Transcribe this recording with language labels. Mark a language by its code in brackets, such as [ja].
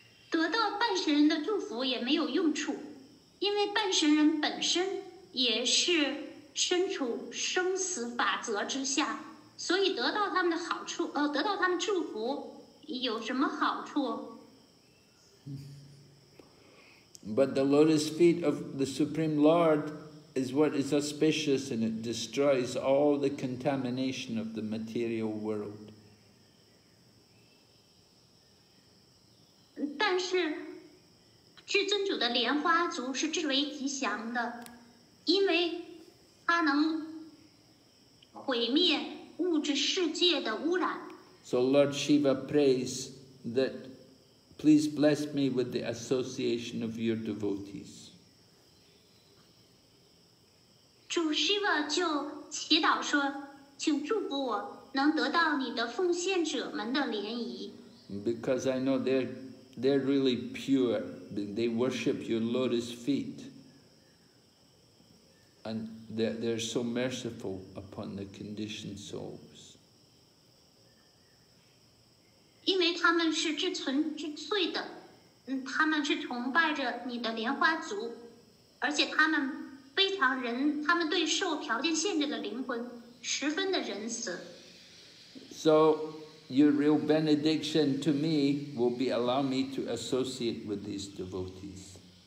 [zh] 得到半神人的祝福也没有用处，因为半神人本身也是身处生死法则之下，所以得到他们的好处，得到他们祝福有什么好处？ [en] But the lotus feet of the Supreme Lord is what is auspicious and it destroys all the contamination of the material world. [zh] 但是至尊主的莲花足是至为吉祥的，因为它能毁灭物质世界的污染。 [en] So Lord Shiva prays that please bless me with the association of your devotees. [zh] 主 Shiva 就祈祷说, 请祝福我, 能得到你的奉献者们的联谊。 [en] Because I know they're really pure. They worship your lotus feet. And they're so merciful upon the conditioned souls. [zh] 因为他们是至纯至粹的, 他们是崇拜着你的莲花族, 而且他们 [en] So your real benediction to me will be allow me to associate with these devotees.